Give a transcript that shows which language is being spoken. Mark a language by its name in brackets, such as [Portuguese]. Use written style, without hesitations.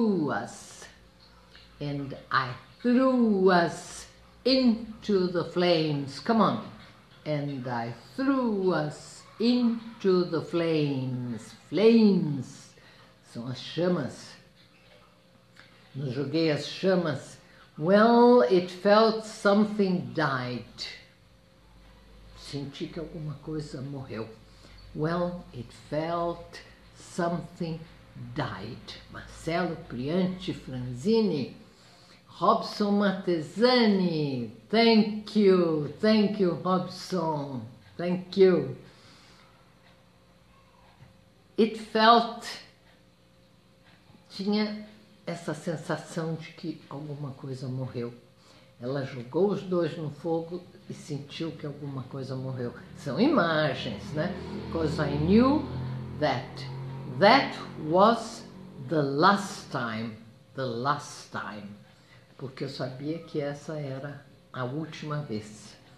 [English] us, and I threw us into the flames, come on, and I threw us into the flames, flames, [Portuguese] são as chamas, nos joguei as chamas. [English] Well, it felt something died. [Portuguese] Senti que alguma coisa morreu. [English] Well, it felt something died. Marcelo Priante Franzini, Robson Matesani, thank you, Robson, thank you. It felt, [Portuguese] tinha essa sensação de que alguma coisa morreu. Ela jogou os dois no fogo e sentiu que alguma coisa morreu. São imagens, né? [English] Because I knew that that was the last time, the last time. [Portuguese] Porque eu sabia que essa era a última vez.